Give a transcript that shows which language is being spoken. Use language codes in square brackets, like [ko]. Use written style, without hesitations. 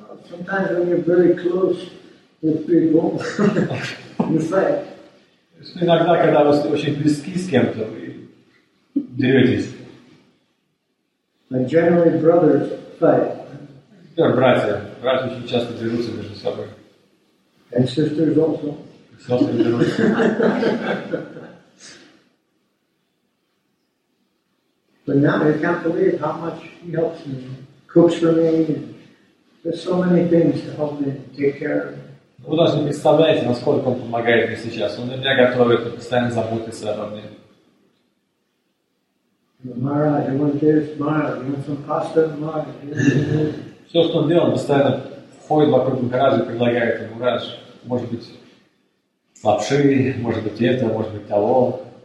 [en] Sometimes when you're very close with people, you fight. [ru] Иногда, когда вы очень близки с кем-то, вы деретесь. [en] Like generally brothers fight. [ru] Теперь братья. Братья очень часто дерутся между собой. [en] And sisters also. [ru] Сестры дерутся. [en] But now I can't believe how much he helps me. Cooks for me. There's so many things to help me take care of. [ru] Вы даже не представляете, насколько он помогает мне сейчас. Он меня готовит, он постоянно заботится обо мне. Все, что он делал, он постоянно ходит вокруг Махараджа и предлагает ему, Махарадж, может быть, лапши, может быть, это, может быть, того.